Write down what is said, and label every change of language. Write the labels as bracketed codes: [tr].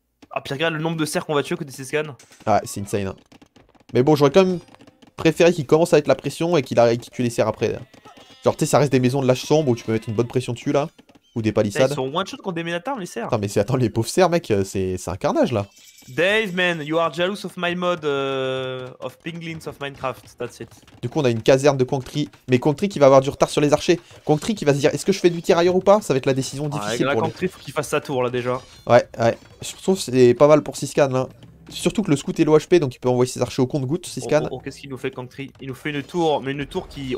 [fr] Ah, puis regarde le nombre de serres qu'on va tuer côté 6 scans. Ah, c'est insane. Hein. Mais bon, j'aurais quand même préféré qu'il commence à mettre la pression et qu'il tue les serres après. Là. Genre, tu sais, ça reste des maisons de l'âge sombre où tu peux mettre une bonne pression dessus là. ou des Putain, ils palissades. sont one-shot contre des Ménatars, mais certes. Attends, mais c'est... Attends, les pauvres serfs, mec, c'est un carnage, là. [en] Dave, man, you are jealous of my mod of Penguins of Minecraft, that's it. [fr] Du coup, on a une caserne de Conktree, mais Conktree qui va avoir du retard sur les archers. Conktree qui va se dire, est-ce que je fais du tirailleur ou pas? Ça va être la décision ah, difficile là, pour lui. Conktree, faut qu'il fasse sa tour, là, déjà. Ouais. Surtout, c'est pas mal pour Siskan, là. Surtout que le scout est low HP, donc il peut envoyer ses archers au compte-gouttes, Siskan. Oh, qu'est-ce qu'il nous fait, Conktree? Il nous fait une tour, mais une tour qui...